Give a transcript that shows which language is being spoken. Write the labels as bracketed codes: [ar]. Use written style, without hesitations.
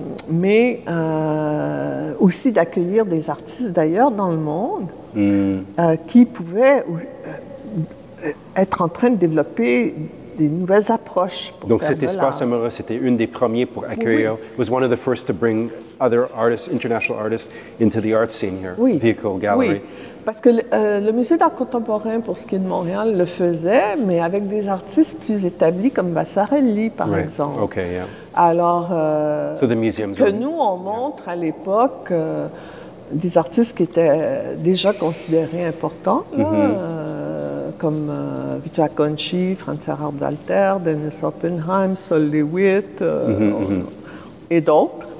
[fr] Mais aussi d'accueillir des artistes d'ailleurs dans le monde qui pouvaient être en train de développer des nouvelles approches pour donc cet espace amoureux, c'était une des premiers pour accueillir. [en] Was one of the first to bring other artists, international artists, into the art scene here. Vehicle Gallery. [fr] Parce que le Musée d'art contemporain, pour ce qui est de Montréal, le faisait, mais avec des artistes plus établis comme Vassarelli, par exemple. Alors, nous, on montre à l'époque des artistes qui étaient déjà considérés importants, là, comme Vito Acconci, Franz Erhard Walter, Dennis Oppenheim, Sol LeWitt, et d'autres.